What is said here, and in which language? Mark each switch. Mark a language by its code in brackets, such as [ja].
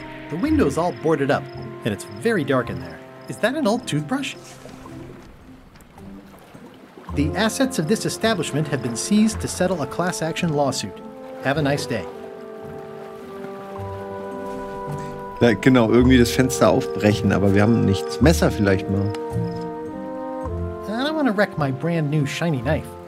[en] The window's all boarded up, and it's very dark in there. Is that an old toothbrush? The assets of this establishment have been seized to settle a class action lawsuit. Have a nice day. [de] Ja, genau, irgendwie das Fenster aufbrechen, aber wir haben nichts. Messer vielleicht mal. [en] I'm gonna wreck my brand new shiny knife.